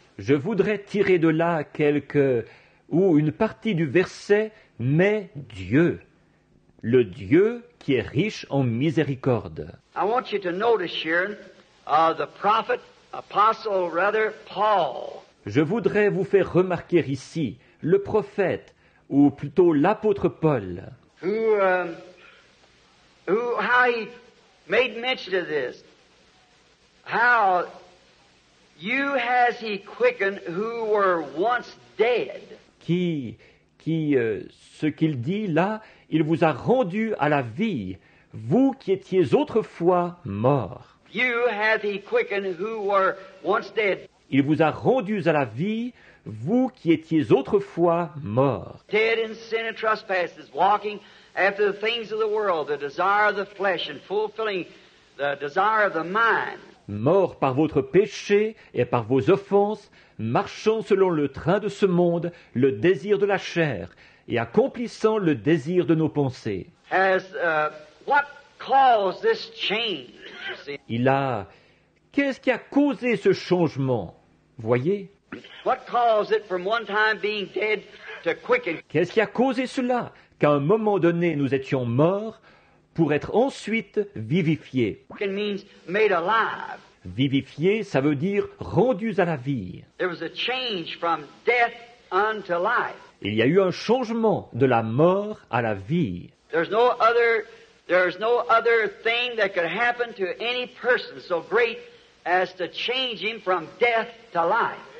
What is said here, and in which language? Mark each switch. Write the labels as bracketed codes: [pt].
[fr] Je voudrais tirer de là quelques ou une partie du verset, mais Dieu, le Dieu qui est riche en miséricorde. [en] I want you to notice here, the prophet, apostle, rather, Paul. [fr] Je voudrais vous faire remarquer ici le prophète ou plutôt l'apôtre Paul. [en] how he made mention of this, how you has he quickened who were once dead. [fr] Ce qu'il dit là, il vous a rendu à la vie, vous qui étiez autrefois morts. [en] You has he quickened who were once dead. [fr] Il vous a rendus à la vie, vous qui étiez autrefois morts. [en] Dead in sin and trespasses, walking after the things of the world, the desire of the flesh and fulfilling the desire of the mind. [fr] Morts par votre péché et par vos offenses, marchant selon le train de ce monde, le désir de la chair, et accomplissant le désir de nos pensées. [en] What caused this change, you see? [fr] Qu'est-ce qui a causé ce changement? Voyez. [en] What caused it from one time being dead to quicken? [fr] Qu'est-ce qui a causé cela? Qu'à un moment donné, nous étions morts pour être ensuite vivifiés. [en] Quicken means made alive. [fr] Vivifiés, ça veut dire rendus à la vie. [en] There was a change from death unto life. [fr] Il y a eu un changement de la mort à la vie. [en] There's no other. There is no other thing that could happen to any person so great as to change him from death to life.